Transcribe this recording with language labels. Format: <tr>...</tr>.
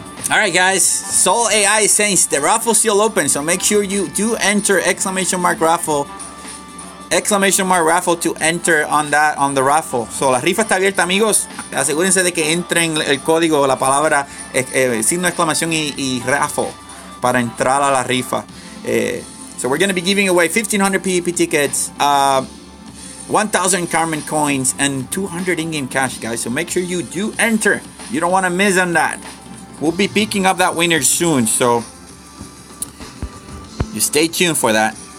<en>All right, guys, Soul AI is saying the raffle's still open, so make sure you do enter exclamation mark raffle to enter on the raffle.</en> <es>So la rifa está abierta, amigos. Asegúrense de que entren el código, la palabra, signo de exclamación y raffle para entrar a la rifa.</es> <en>So we're going to be giving away 1,500 PEP tickets, 1,000 Carmen coins, and 200 in-game cash, guys. So make sure you do enter. You don't want to miss on that. We'll be picking up that winner soon, so you stay tuned for that.</en>